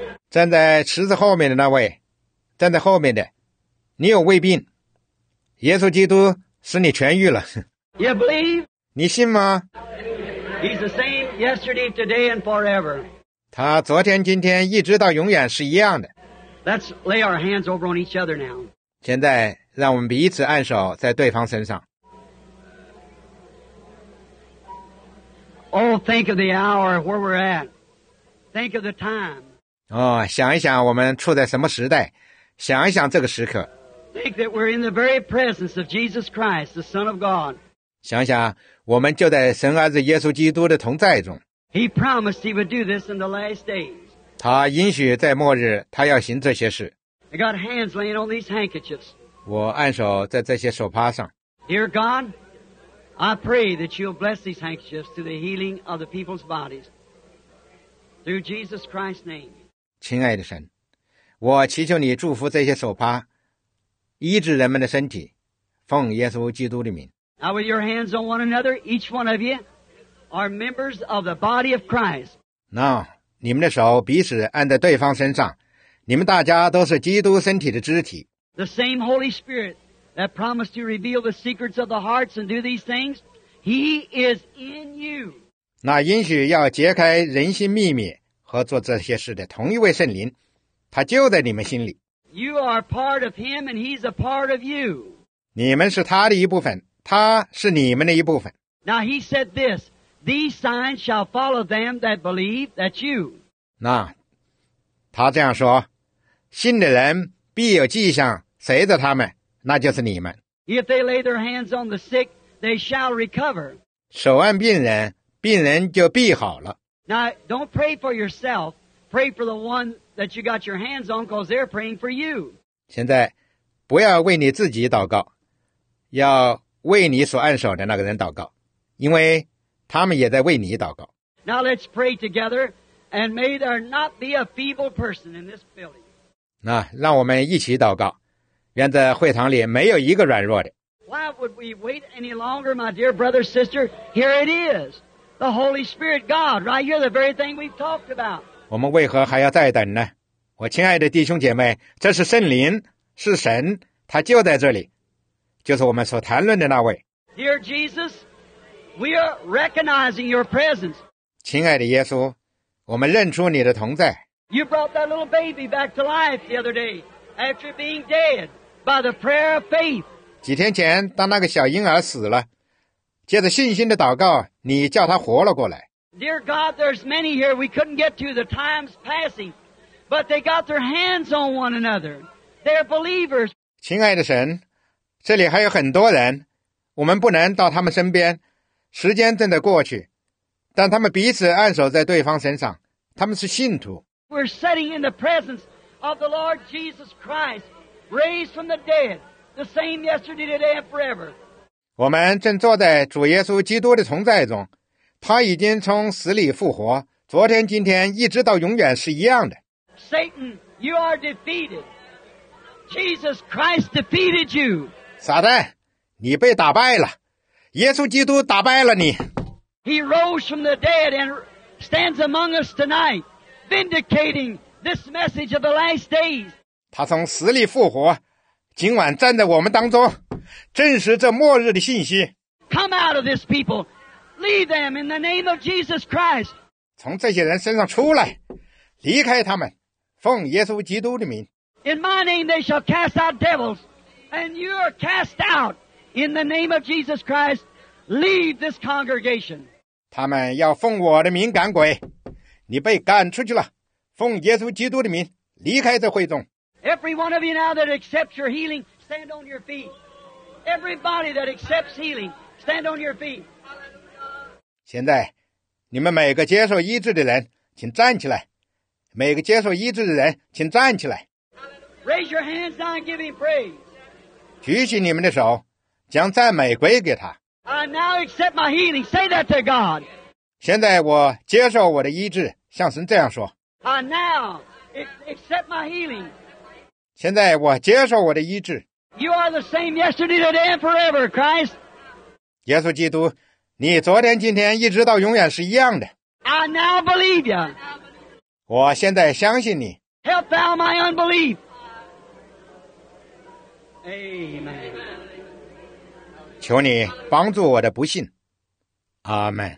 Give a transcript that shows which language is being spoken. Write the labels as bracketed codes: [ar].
[zh] 站在池子后面的那位，站在后面的，你有胃病，耶稣基督使你痊愈了。 [en] You believe? [zh] 你信吗？ [en] He's the same yesterday, today, and forever. [zh] 他昨天、今天一直到永远是一样的。 [en] Let's lay our hands over on each other now. [zh] 现在让我们彼此按手在对方身上。 [en] Oh, think of the hour where we're at. Think of the time. [zh] 想一想我们处在什么时代，想一想这个时刻。 [en] Think that we're in the very presence of Jesus Christ, the Son of God. [zh] 想想。我们就在神儿子耶稣基督的同在中。 [en] He promised he would do this in the last days. [zh] 他应许在末日他要行这些事。 [en] I got hands laying on these handkerchiefs. [zh] 我按手在这些手帕上。 [en] Dear God, I pray that you'll bless these handkerchiefs to the healing of the people's bodies through Jesus Christ's name. [zh] 亲爱的神，我祈求你祝福这些手帕，医治人们的身体，奉耶稣基督的名。 [en] Now with your hands on one another, each one of you are members of the body of Christ. Now, [zh] 你们的手彼此按在对方身上，你们大家都是基督身体的肢体。 [en] The same Holy Spirit that promised to reveal the secrets of the hearts and do these things, He is in you. [zh] 那应许要揭开人心秘密和做这些事的同一位圣灵，他就在你们心里。 [en] You are part of Him, and He's a part of you. [zh] 你们是他的一部分。他是你们的一部分。 [en] Now he said this, these signs shall follow them that believe that you. [zh] 那他这样说，信的人必有迹象随着他们，那就是你们。 [en] If they lay their hands on the sick, they shall recover. [zh] 手按病人，病人就必好了。 [en] Now don't pray for yourself, pray for the one that you got your hands on, because they're praying for you. [zh] 现在不要为你自己祷告，要为你所按手的那个人祷告，因为他们也在为你祷告。 [en] Now let's pray together, and may there not be a feeble person in this building. [zh] 那让我们一起祷告，愿在会堂里没有一个软弱的。 [en] Why would we wait any longer, my dear brother, sister? Here it is, the Holy Spirit, God, right here, the very thing we've talked about. [zh] 我们为何还要再等呢？我亲爱的弟兄姐妹，这是圣灵，是神，他就在这里。就是我们所谈论的那位。 [en] Dear Jesus, we are recognizing your presence. [zh] 亲爱的耶稣，我们认出你的同在。 [en] You brought that little baby back to life the other day after being dead by the prayer of faith. [zh] 几天前，当那个小婴儿死了，借着信心的祷告，你叫他活了过来。 [en] Dear God, there's many here we couldn't get to. The time's passing, but they got their hands on one another. They're believers. [zh] 亲爱的神。这里还有很多人，我们不能到他们身边，时间正在过去，但他们彼此按手在对方身上，他们是信徒。 [en] We're sitting in the presence of the Lord Jesus Christ, raised from the dead, the same yesterday, today, and forever. [zh] 我们正坐在主耶稣基督的同在中，他已经从死里复活，昨天、今天一直到永远是一样的。 [en] Satan, you are defeated. Jesus Christ defeated you. [zh] 撒旦，你被打败了，耶稣基督打败了你。 [en] He rose from the dead and stands among us tonight, vindicating this message of the last days. [zh] 他从死里复活，今晚站在我们当中，证实这末日的信息。 [en] Come out of this people, leave them in the name of Jesus Christ. [zh] 从这些人身上出来，离开他们，奉耶稣基督的名。 [en] In my name they shall cast out devils. And you are cast out in the name of Jesus Christ, leave this congregation. [zh] 他们要奉我的名赶鬼，你被赶出去了。奉耶稣基督的名，离开这会众。 [en] Every one of you now that accepts your healing, stand on your feet. Everybody that accepts healing, stand on your feet. [zh] 现在，你们每个接受医治的人，请站起来。每个接受医治的人，请站起来。 [en] Raise your hands now and give him praise. [zh] 举起你们的手，将赞美归给他。 [en] I now accept my healing. Say that to God. [zh] 现在我接受我的医治，向神这样说。 [en] I now accept my healing. [zh] 现在我接受我的医治。 [en] You are the same yesterday, today, and forever, Christ. [zh] 耶稣基督，你昨天、今天一直到永远是一样的。 [en] I now believe you. [zh] 我现在相信你。 [en] Help thou my unbelief. Amen. [zh] 求你帮助我的不信，阿们。